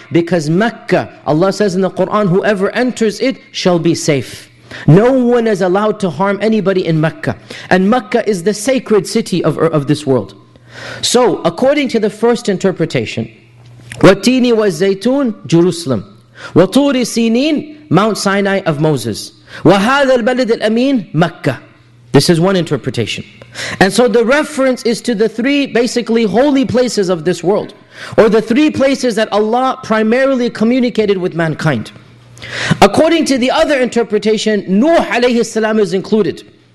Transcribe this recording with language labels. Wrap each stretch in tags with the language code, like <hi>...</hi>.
<en>Because Mecca, Allah says in the Quran, whoever enters it shall be safe. No one is allowed to harm anybody in Mecca. And Mecca is the sacred city of this world. So, according to the first interpretation,</en> <ar>Wat-teeni waz-Zaytun,</ar> <en>Jerusalem.</en> <ar>وَطُورِ سِينِينَ</ar> <en>Mount Sinai of Moses.</en> <ar>وَهَذَا الْبَلَدِ الْأَمِينَ Mecca.</ar> <en>This is one interpretation. And so the reference is to the three basically holy places of this world. Or the three places that Allah primarily communicated with mankind. According to the other interpretation, Nuh alayhi salam is included.</en>